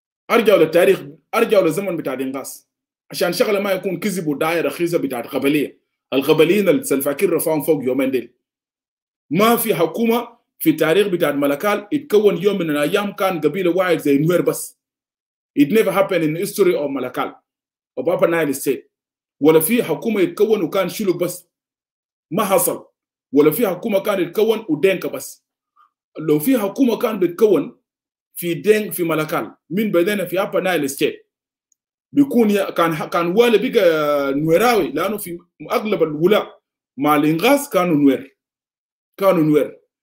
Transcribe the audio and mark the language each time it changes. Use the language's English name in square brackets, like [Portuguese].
[Arabic] ارجعوا للتاريخ، ارجعوا للزمن بتاع دينغاس عشان شغله ما يكون كذب وداعي رخيصه بتاعت قبليه. القبليين اللي سلفاكير رفعهم فوق يومين ديل، ما في حكومه في تاريخ بتاعت ملكال اتكون يوم من الايام كان قبيله واحد زي نوير بس. [English] It never happened in history of Malakal of Upper Nile State. [Arabic] ولا في حكومه اتكون وكان شلوك بس، ما حصل. ولا في حكومه كان اتكون ودينك بس. لو في حكومه كان بتكون في دينك في ملكال من بدينا في Upper Nile State بيكون كان والي بيجا نويراوي، لانه في اغلب الولاء مع الانغاز كانوا نوير.